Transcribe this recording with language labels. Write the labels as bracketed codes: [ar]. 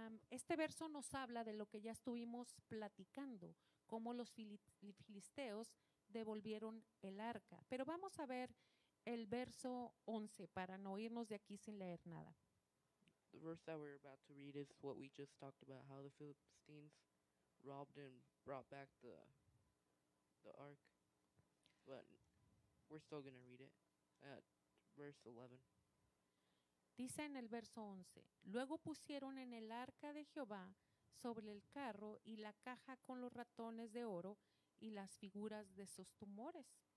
[es] Este verso nos habla de lo que ya estuvimos platicando, cómo los filisteos devolvieron el arca. Pero vamos a ver el verso 11 para no irnos de aquí sin leer nada. [en] The verse that we're about to read is what we just talked about, how the Philistines robbed and brought back the ark. But we're still going to read it at verse 11. [es] Dice en el verso 11, luego pusieron en el arca de Jehová sobre el carro y la caja con los ratones de oro y las figuras de sus tumores.